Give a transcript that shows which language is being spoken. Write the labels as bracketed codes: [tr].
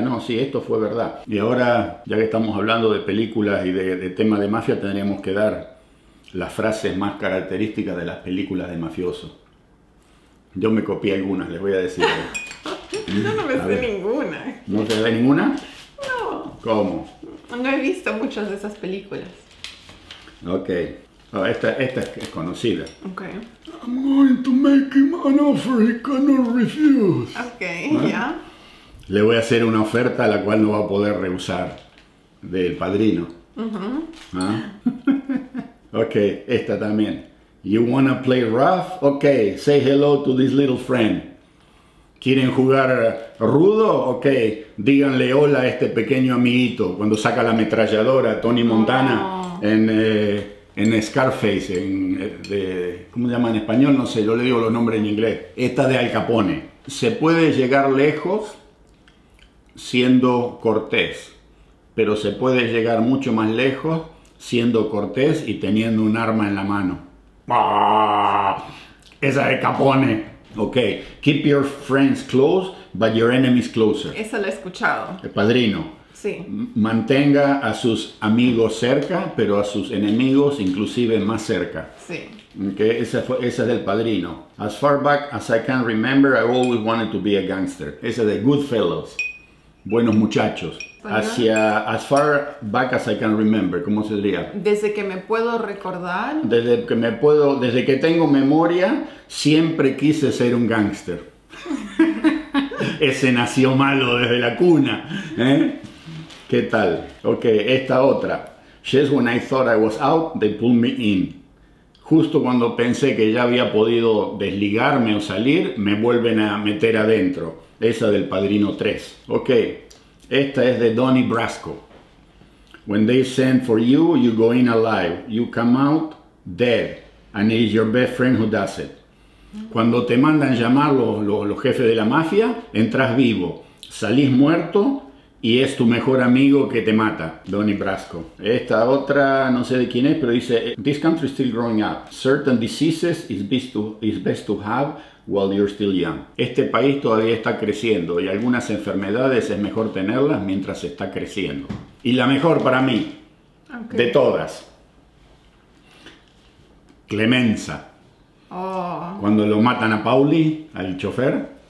[es] No, sí, esto fue verdad. Y ahora, ya que estamos hablando de películas y de tema de mafia, tendríamos que dar las frases más características de las películas de mafioso. Yo me copié algunas, les voy a decir. No me sé ninguna. ¿No te ve ninguna? No. ¿Cómo? No he visto muchas de esas películas. Ok. Oh, esta es conocida. Ok. [en] I'm going to make him an offer he cannot refuse. [es] Ok, ¿no? Ya. Le voy a hacer una oferta a la cual no va a poder rehusar. Del Padrino. [en] Ok, [es] esta también. [en] You wanna play rough? Ok, say hello to this little friend. [es] ¿Quieren jugar rudo? Ok, díganle hola a este pequeño amiguito cuando saca la ametralladora Tony Montana en Scarface, ¿cómo se llama en español? No sé, yo le digo los nombres en inglés. Esta de Al Capone. Se puede llegar lejos siendo cortés, pero se puede llegar mucho más lejos siendo cortés y teniendo un arma en la mano. ¡Bah! Esa de Capone. [en] Ok, keep your friends close, but your enemies closer. [es] Eso lo he escuchado. El Padrino. Sí. Mantenga a sus amigos cerca, pero a sus enemigos inclusive más cerca. Sí. Ok, esa es del Padrino. [en] As far back as I can remember, I always wanted to be a gangster. [es] Esa es de Goodfellas. Buenos muchachos. Hacia, [en] as far back as I can remember, [es] ¿cómo se diría? Desde que me puedo recordar. Desde que tengo memoria, siempre quise ser un gángster. Ese nació malo desde la cuna. ¿Eh? ¿Qué tal? Ok, esta otra. [en] Just when I thought I was out, they pulled me in. [es] Justo cuando pensé que ya había podido desligarme o salir, me vuelven a meter adentro. Esa del Padrino 3. Ok. Esta es de Donnie Brasco. [en] When they send for you, you go in alive. You come out dead. And it's your best friend who does it. [es] Cuando te mandan llamar los jefes de la mafia, entras vivo. Salís muerto y es tu mejor amigo que te mata. Donnie Brasco. Esta otra, no sé de quién es, pero dice, [en] this country is still growing up. Certain diseases is best to have while you're still young. [es] Este país todavía está creciendo y algunas enfermedades es mejor tenerlas mientras está creciendo. Y la mejor para mí, okay, de todas. Clemenza. Oh. Cuando lo matan a Pauli, al chofer.